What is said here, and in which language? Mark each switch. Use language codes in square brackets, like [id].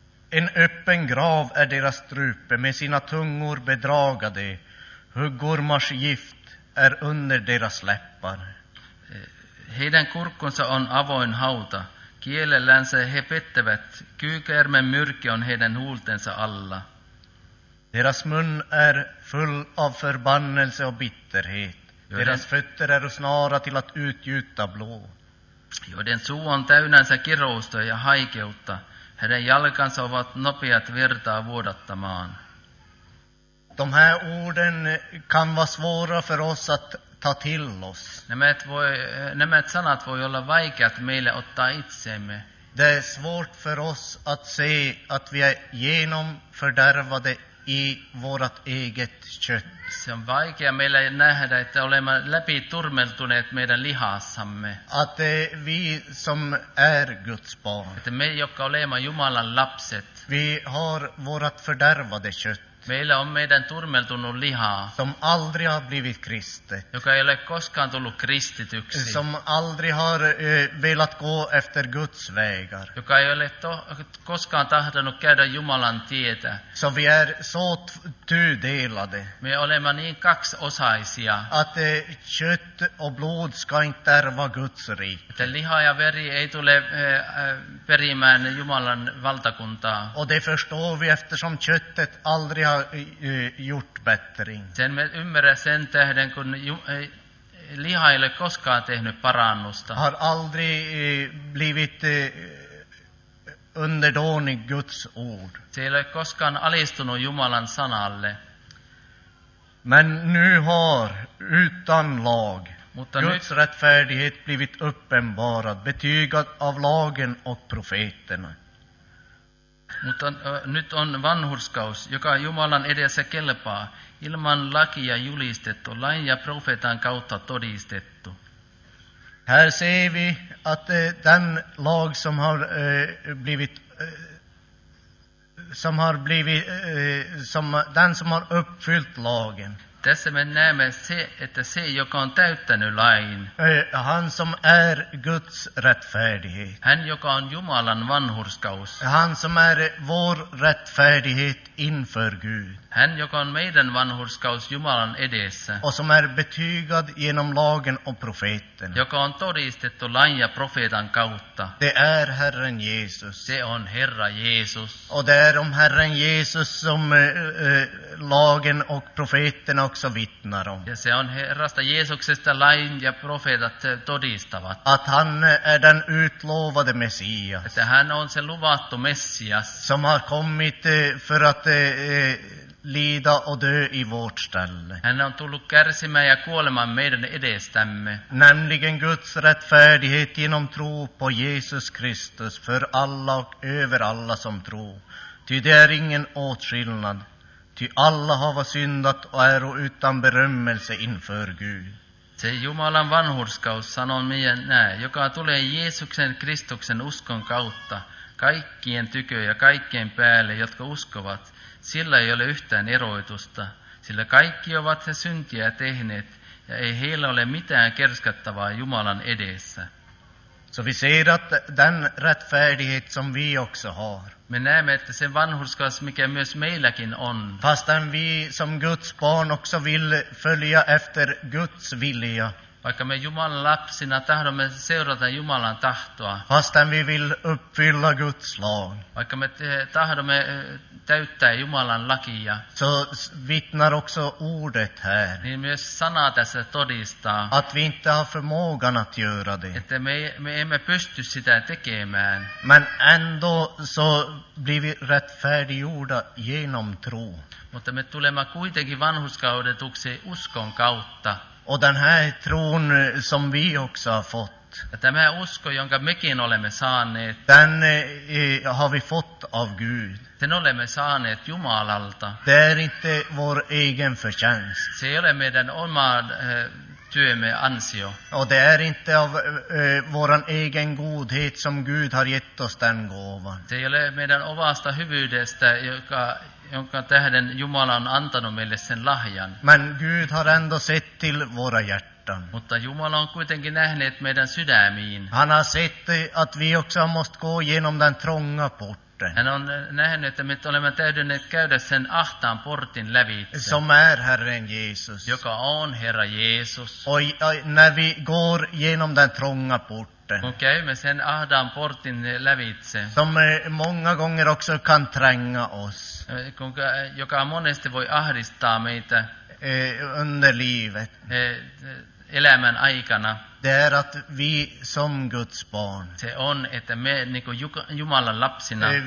[sv] En öppen grav är deras strupe, med sina tungor bedragade. Huggormars gift är under deras läppar. [fi] Heidän kurkkonsa on avoin hauta. Kielellänsä he pettävät. Kyykärmen myrke on heidän huultensa alla. [sv] Deras mun är full av förbannelse och bitterhet. Deras fötter är snara till att utgjuta blod. [fi] Joiden suu on täynnänsä kirousta ja haikeutta. Heidän jalkansa ovat nopeat virtaa vuodattamaan. [sv] De här orden kan vara svåra för oss att ta till oss. [fi] Nämä sanat voi olla vaikeat meille ottaa itseemme. [sv] Det är svårt för oss att se att vi är genomfördärvade i vårat eget kött. [fi] Se on vaikea meille nähdä, että olemme läpi turmeltuneet meidän lihassamme. [sv] Att vi som är Guds barn. [fi] Että me, jotka olemme Jumalan lapset. [sv] Vi har vårat fördärvade kött. [fi] Meillä on meidän turmeltunut lihaa. [sv] Som aldrig har blivit kristet. [fi] Joka ei ole koskaan tullut kristityksi. [sv] Som aldrig har velat gå efter Guds vägar. [fi] Joka ei ole koskaan tahtonut käydä Jumalan tietä. [sv] Så vi är så tudelade. [fi] Me olemme niin kaksiosaisia. [sv] Att kött och blod ska inte ärva Guds rike. [fi] Että liha ja veri ei tule perimään Jumalan valtakuntaa. [sv] Och det förstår vi eftersom köttet aldrig gjort bättring. [fi] Sen me ymmärrä sen tähden, kun liha ei ole koskaan tehnyt parannusta. [sv] Har aldrig blivit underdånig Guds ord. [fi] Se ei koskaan alistunut Jumalan sanalle. [sv] Men nu har utan lag [fi] Mutta [sv] Guds rättfärdighet blivit uppenbarad, betygad av lagen och profeterna. [fi] Mutta nyt on vanhurskaus, joka Jumalan edessä kelpaa, ilman lakia julistettu, lain ja profeetan kautta todistettu. [sv] Här ser vi att den lag som har blivit som har blivit som den som har uppfyllt lagen. [fi] Tässä me näemme se, että se, joka on täyttänyt lain. [sv] Han som är Guds rättfärdighet. [fi] Hän, joka on Jumalan vanhurskaus. [sv] Han som är vår rättfärdighet inför Gud. [fi] Hän, joka on meidän vanhurskaus Jumalan edessä. [sv] Och som är betygad genom lagen och profeten. [fi] Joka on todistettu lain ja profeetan kautta. [sv] Det är Herren Jesus. [fi] Se on Herra Jeesus. [sv] Och det är om Herren Jesus som lagen och profeten också vittnar om. [fi] Ja se on Herrasta Jeesuksesta lain ja profeetat todistavat. [sv] Att han är den utlovade Messias. [fi] Että hän on se luvattu Messias. [sv] Som har kommit för att lida och dö i vårt ställe. [fi] Hän on tullut kärsimään ja kuolemaan meidän edestämme. [sv] Nämligen Guds rättfärdighet genom tro på Jesus Kristus för alla och över alla som tror. Ty det är ingen åtskillnad. Ty alla hava syndat och är utan berömmelse inför Gud. [fi] Se Jumalan vanhurskaus sanon meidän näe, joka tulee Jeesuksen Kristuksen uskon kautta kaikkien tykö ja kaikkien päälle, jotka uskovat, sillä ei ole yhtään eroitusta, sillä kaikki ovat he syntiä tehneet ja ei heillä ole mitään kerskattavaa Jumalan edessä. [sv] Så vi ser att den rättfärdighet som vi också har. [fi] Me näemme, että sen vanhurskaus, mikä myös meilläkin on. [sv] Fastän vi som Guds barn också vill följa efter Guds vilja. [fi] Vaikka me Jumalan lapsina tahdomme seurata Jumalan tahtoa. [sv] Fastän vi vill uppfylla Guds lag. [fi] Vaikka me tahdomme täyttää Jumalan lakia. [sv] Så vittnar också ordet här. [fi] Niin myös sana tässä todistaa. [sv] Att vi inte har förmågan att göra det. [fi] Että me emme pysty sitä tekemään. [sv] Men ändå så blir vi rättfärdiggjorda genom tro. [fi] Mutta me tulemme kuitenkin vanhurskaudetuksi uskon kautta. [sv] Och den här tron som vi också har fått. [fi] Tämä usko, jonka mekin olemme saaneet. [sv] Den har vi fått av Gud. [fi] Sen olemme saaneet Jumalalta. [sv] Det är inte vår egen förtjänst. [fi] Se ei ole meidän oma työmme ansio. [sv] Och det är inte av våran egen godhet som Gud har gett oss den gåvan. [fi] Se ei ole meidän omasta hyvyydestä, jonka tähden Jumala on antanut meille sen lahjan. [sv] Men Gud har ändå sett till våra hjärtan. [fi] Mutta Jumala on kuitenkin nähnyt meidän sydämiin. [sv] Han har sett att vi också måste gå genom den trånga porten. [fi] Hän on nähnyt, että me olemme täydenneet käydä sen ahtaan portin lävitse. [sv] Som är Herren Jesus. [fi] Joka on Herra Jeesus. [sv] När vi går genom den trånga porten. [fi] Kun käymme sen ahdaan portin lävitse. [sv] Som många gånger också kan tränga oss. [fi] Joka monesti voi ahdistaa meitä. [sv] Under livet. [fi] Elämän aikana. [sv] Det är att vi som Guds barn. [fi] Se on, että me niin kuin Jumalan lapsina.